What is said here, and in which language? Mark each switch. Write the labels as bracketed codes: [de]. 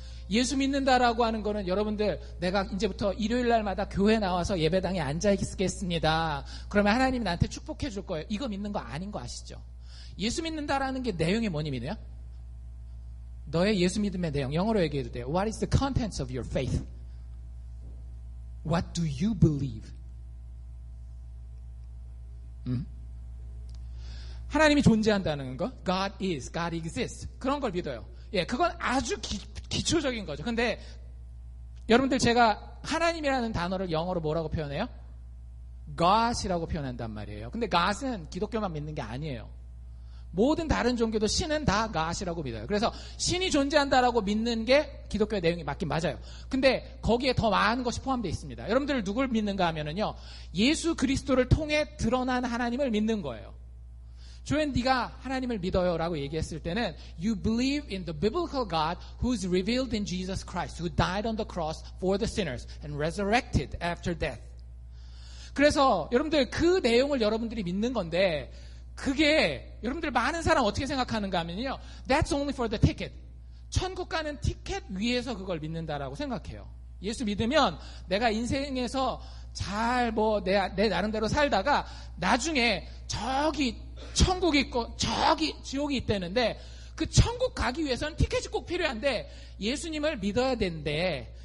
[ko] 예수 믿는다라고 하는 거는 여러분들 내가 이제부터 일요일날마다 교회 나와서 예배당에 앉아있겠습니다 그러면 하나님이 나한테 축복해 줄 거예요, 이거 믿는 거 아닌 거 아시죠? 예수 믿는다라는 게 내용이 뭐니 믿어요? 너의 예수 믿음의 내용, 영어로 얘기해도 돼요. [en] What is the contents of your faith? What do you believe? [ko] 하나님이 존재한다는 거, [en] God is, God exists. [ko] 그런 걸 믿어요. 예, 그건 아주 기초적인 거죠. 근데 여러분들 제가 하나님이라는 단어를 영어로 뭐라고 표현해요? God이라고 표현한단 말이에요. 근데 God은 기독교만 믿는 게 아니에요. 모든 다른 종교도 신은 다 God이라고 믿어요. 그래서 신이 존재한다라고 믿는 게 기독교의 내용이 맞긴 맞아요. 근데 거기에 더 많은 것이 포함되어 있습니다. 여러분들 누굴 믿는가 하면은요, 예수 그리스도를 통해 드러난 하나님을 믿는 거예요. 조앤 네가 하나님을 믿어요 라고 얘기했을 때는 [en] You believe in the biblical God who's revealed in Jesus Christ who died on the cross for the sinners and resurrected after death. [ko] 그래서 여러분들 그 내용을 여러분들이 믿는 건데 그게 여러분들 많은 사람 어떻게 생각하는가 하면요 [en] That's only for the ticket. [ko] 천국 가는 티켓 위에서 그걸 믿는다라고 생각해요. 예수 믿으면 내가 인생에서 잘 뭐 내 나름대로 살다가 나중에 저기 천국이 있고 저기 지옥이 있다는데 그 천국 가기 위해서는 티켓이 꼭 필요한데 예수님을 믿어야 된대.